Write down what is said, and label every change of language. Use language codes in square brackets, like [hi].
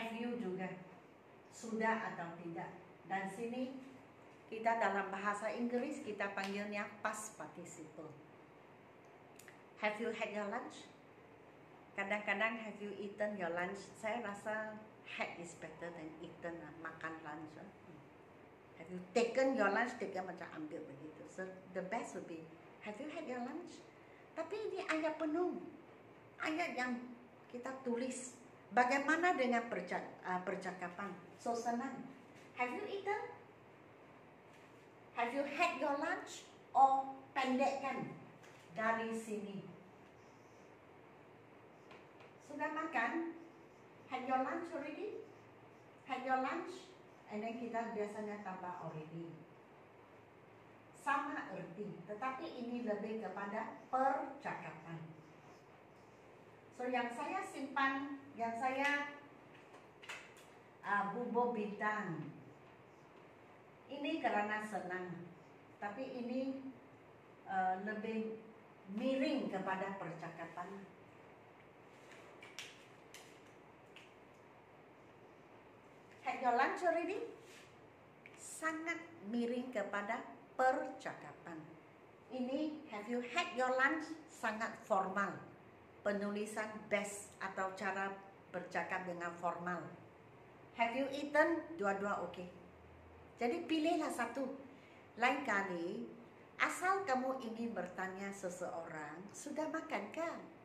[ms] Matthew juga sudah atau tidak. Dan sini kita dalam bahasa Inggris kita panggilnya past participle. [en] Have you had your lunch? [ms] Kadang-kadang [en] have you eaten your lunch? [ms] Saya rasa [en] had is better than eaten, [ms] makan [en] lunch. Have you taken your lunch? Taken [ms] macam ambil begitu. [en] So the best would be, have you had your lunch? [ms] Tapi ini ayat penuh. Ayat yang kita tulis. Bagaimana dengan percakapan? [en] So [ms] senang. [en] Have you eaten? Have you had your lunch? [ms] Or pendekkan dari sini. Sudah makan? [en] Had your lunch already? Had your lunch? And then [ms] kita biasanya tambah already. Sama erti, tetapi ini lebih kepada percakapan. So yang saya simpan, yang saya bubo bintang. Ini karena senang, tapi ini lebih miring kepada percakapan. [en] Had your lunch already? [ms] Sangat miring kepada percakapan. Ini [en] have you had your lunch? [ms] Sangat formal. Penulisan best atau cara bercakap dengan formal. [en] Have you eaten? [ms] Dua-dua okay. Jadi pilihlah satu. Lain kali, asal kamu ingin bertanya seseorang, sudah makan kan?